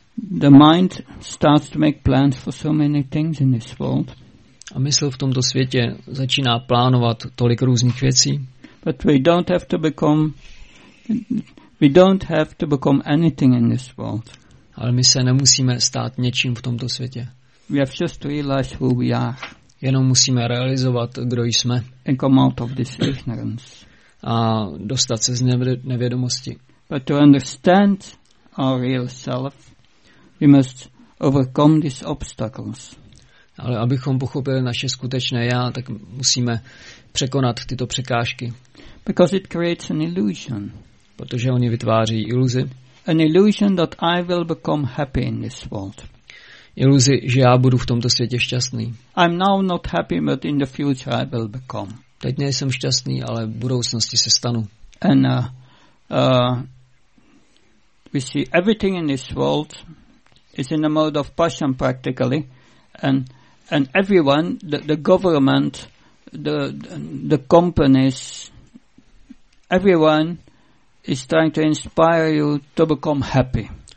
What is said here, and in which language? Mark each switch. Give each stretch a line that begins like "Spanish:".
English: The mind starts to make plans for so many things in this world.
Czech: A mysl v tomto světě začíná plánovat tolik různých věcí.
English: But we don't have to become anything in this world.
Czech: Ale my se nemusíme stát něčím v tomto světě.
English: We have just to realize who we are.
Czech: Jenom musíme realizovat, kdo jsme.
English: And come out of this ignorance.
Czech: A dostat se z nevědomosti.
English: But to understand our real self, we must overcome these obstacles.
Czech: Ale abychom pochopili naše skutečné já, tak musíme překonat tyto překážky.
English: Because it creates an illusion.
Czech: Protože oni vytváří iluzi.
English: An illusion that I will become happy in this world.
Czech: Iluzi, že já budu v tomto světě šťastný.
English: I'm now not happy, but in the future I will become.
Czech: Teď nejsem šťastný, ale v budoucnosti se stanu.
English: And we see everything in this world is in a mode of passion practically, and everyone, the government, the companies, everyone is trying to inspire you to become happy.